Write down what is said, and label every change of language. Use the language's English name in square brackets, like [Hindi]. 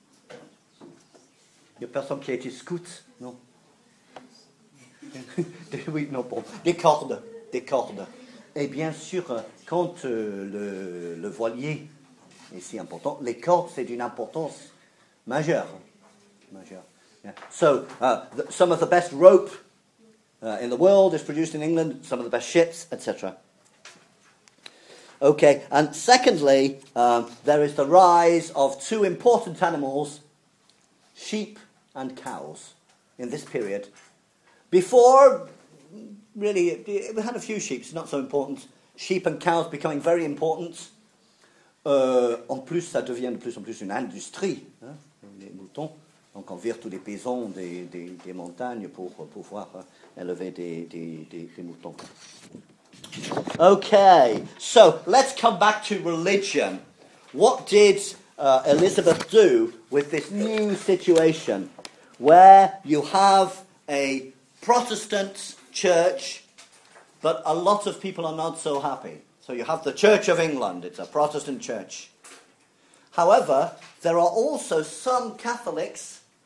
[French] Il n'y a personne qui a été scout, non? Oui, non, bon. Des cordes. Et bien sûr, quand le voilier est si important, les cordes, c'est d'une importance majeure. Majeure. Yeah. [English] So some of the best rope in the world is produced in England, some of the best ships, etc. Okay, and secondly, there is the rise of two important animals, sheep and cows, in this period. Before, really, we had a few sheep, it's not so important. Sheep and cows becoming very important. [French] En plus, ça devient de plus en plus une industrie, hein, les moutons. Donc on vire tous les paysans des montagnes pour pouvoir élever des moutons. [English] Okay, so let's come back to religion. What did Elizabeth do with this new situation where you have a Protestant church, but a lot of people are not so happy? So you have the Church of England, it's a Protestant church. However, there are also some Catholics.